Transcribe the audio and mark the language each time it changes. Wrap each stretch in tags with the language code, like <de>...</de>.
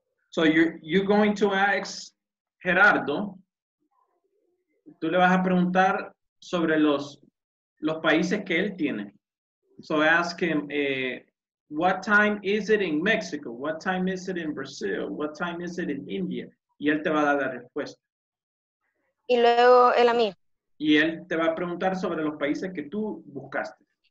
<en>So you're going to ask Gerardo,</en> <es>tú le vas a preguntar sobre los países que él tiene.</es> <en>So ask him, what time is it in Mexico? What time is it in Brazil? What time is it in India?</en> <es>Y él te va a dar la respuesta. Y luego él a mí. Y él te va a preguntar sobre los países que tú buscaste.</es>